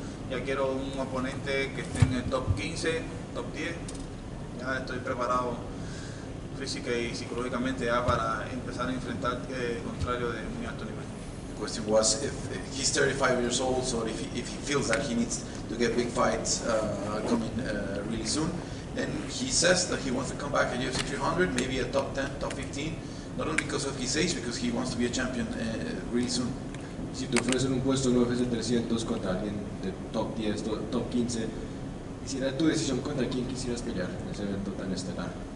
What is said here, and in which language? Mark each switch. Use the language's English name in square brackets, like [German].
[Spanish] Ya quiero un oponente que esté en el top 15, top 10. Ya estoy preparado física y psicológicamente ya para empezar a enfrentar contrario de muy alto nivel. [English] The question was if he's 35 years old, so if he feels that he needs to get big fights coming really soon. And he says that he wants to come back at UFC 300, maybe a top 10, top 15, not only because of his age, because he wants to be a champion really soon. [Spanish] Si te ofrecen un puesto en UFC 300 contra alguien de top 10, top 15, ¿será tu decisión contra quién quisieras pelear en ese evento tan estelar?